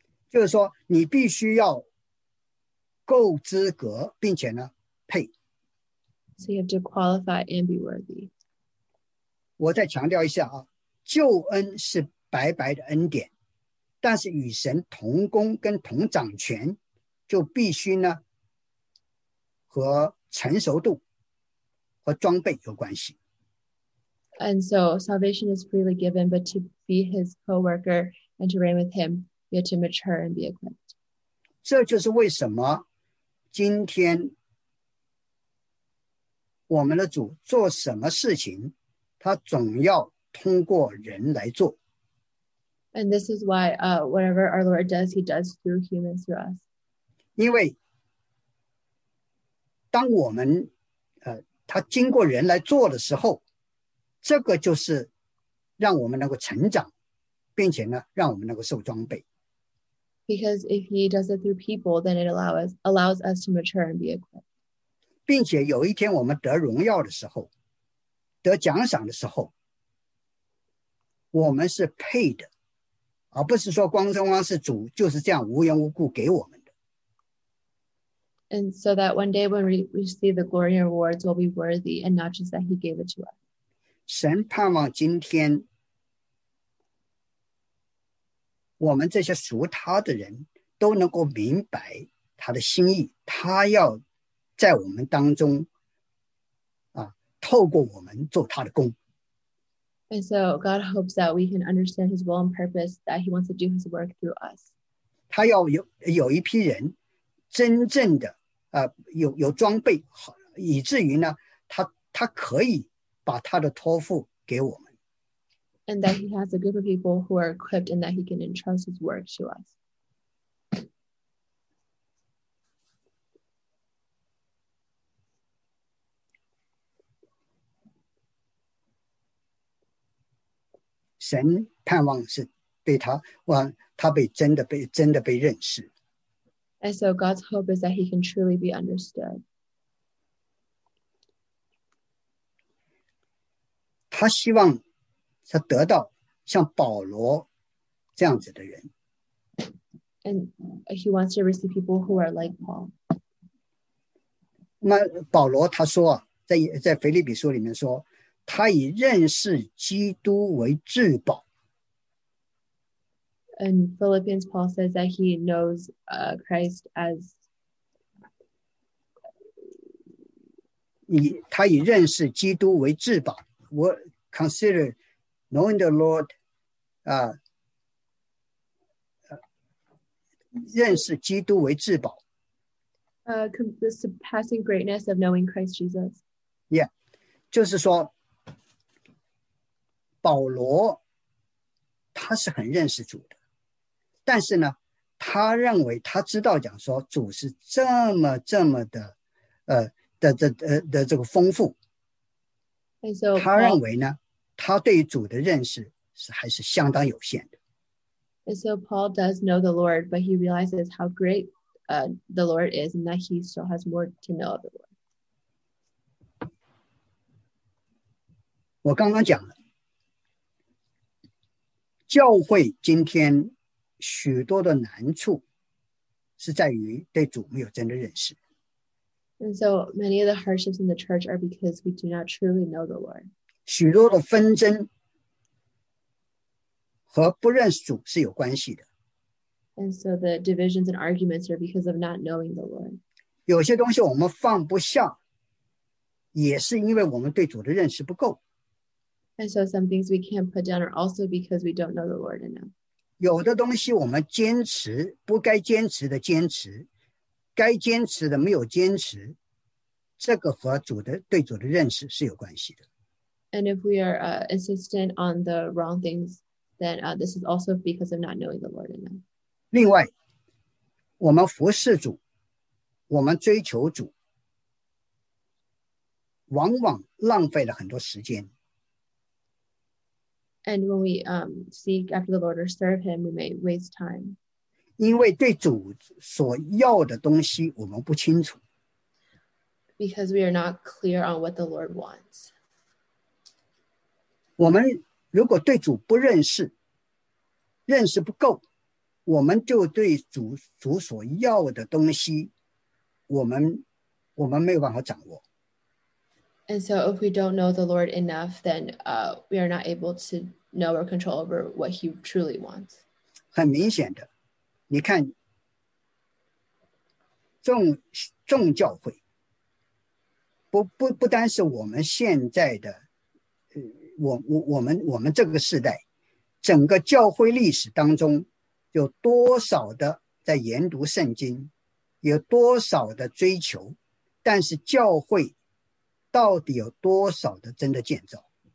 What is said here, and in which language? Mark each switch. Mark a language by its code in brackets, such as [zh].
[zh] 就是说你必须要够资格并且呢配。 [en] So you have to qualify and be worthy. [zh] 我再强调一下啊。救恩是白白的恩典，但是与神同工跟同掌权，就必须呢和成熟度和装备有关系。 [en] And so salvation is freely given, but to be his co-worker and to reign with him, you have to mature and be equipped. [zh] 这就是为什么今天我们的主做什么事情，他总要通过人来做。 [en] And this is why whatever our Lord does, he does through humans, through us. [zh] 因为当我们他经过人来做的时候，这个就是让我们能够成长，并且呢让我们能够受装备。 [en] Because if he does it through people, then it allows us to mature and be equipped. [zh] 并且有一天我们得荣耀的时候，得奖赏的时候，我们是配的，而不是说光荣光是主就是这样无缘无故给我们的。 [en] And so that one day when we receive the glory and rewards, we'll be worthy, and not just that He gave it to us. [zh] 神盼望今天，我们这些属他的人都能够明白他的心意，他要在我们当中，透过我们做他的工。 [en] And so God hopes that we can understand His will and purpose, that He wants to do His work through us. [zh] 他要 有一批人真正的、有装备，以至于呢 他可以把他的托付给我们。 [en] And that He has a group of people who are equipped and that He can entrust His work to us. [zh] 神盼望是被他，他被真的被认识。 [en] And so God's hope is that He can truly be understood. [zh] 他希望他得到像保罗这样子的人。 [en] And He wants to receive people who are like Paul. [zh] 那保罗他说啊，在腓立比书里面说。他以认识基督为至宝。 [en] And Philippians Paul says that he knows Christ as [zh] 他以认识基督为至宝。我 [en] consider knowing the Lord [zh] 认识基督为至宝。 [en] The surpassing greatness of knowing Christ Jesus. [zh] Yeah, 就是说保罗他是很认识主的，但是呢他认为他知道讲说主是这么的这个丰富。 [en] And so, [zh] 他认为呢他对主的认识是还是相当有限的。 [en] And so Paul does know the Lord, but he realizes how great the Lord is and that he still has more to know of the Lord. [zh] 我刚刚讲了教会今天许多的难处是在于对主没有真的认识。 [en] And so many of the hardships in the church are because we do not truly know the Lord. [zh] 许多的纷争和不认识主是有关系的。 [en] And so the divisions and arguments are because of not knowing the Lord. [zh] 有些东西我们放不下，也是因为我们对主的认识不够。 [en] And so some things we can't put down are also because we don't know the Lord enough. [zh] 有的东西我们坚持，不该坚持的坚持，该坚持的没有坚持，这个和主的，对主的认识是有关系的。 [en] And if we are insistent on the wrong things, then this is also because of not knowing the Lord enough. [zh] 另外，我们服侍主，我们追求主，往往浪费了很多时间。 [en] And when we seek after the Lord or serve Him, we may waste time. [zh] 因为对主所要的东西我们不清楚。 [en] Because we are not clear on what the Lord wants. [zh] 我们如果对主不认识，认识不够，我们就对主所要的东西，我们没有办法掌握。 [en] And so if we don't know the Lord enough, then we are not able to know or control over what He truly wants. [zh] 很明显的，你看众教会，不单是我们现在的，我们这个时代，整个教会历史当中，有多少的在研读圣经，有多少的追求，但是教会到底有多少的真的建造？